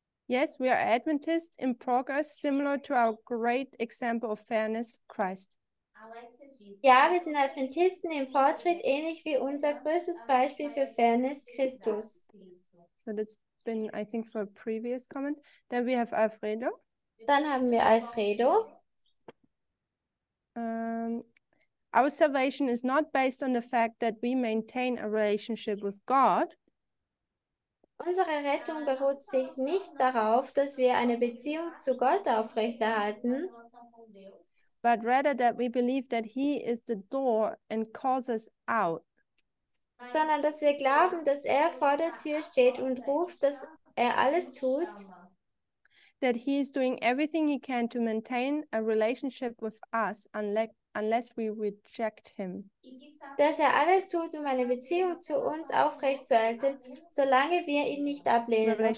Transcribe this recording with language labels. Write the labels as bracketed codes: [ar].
[en] Yes, we are Adventists in progress, similar to our great example of fairness, Christ. [de] Ja, wir sind Adventisten im Fortschritt, ähnlich wie unser größtes Beispiel für Fairness, Christus. [en] So that's been, I think, for a previous comment. Then we have Alfredo. [de] Dann haben wir Alfredo. [en] Our salvation is not based on the fact that we maintain a relationship with God. [de] Unsere Rettung beruht sich nicht darauf, dass wir eine Beziehung zu Gott aufrechterhalten, [en] but rather that we believe that he is the door and calls us out. [de] Sondern dass wir glauben, dass er vor der Tür steht und ruft, dass er alles tut. [en] That he is doing everything he can to maintain a relationship with us unless we reject him. [de] Dass er alles tut, um eine Beziehung zu uns aufrechtzuerhalten, solange wir ihn nicht ablehnen.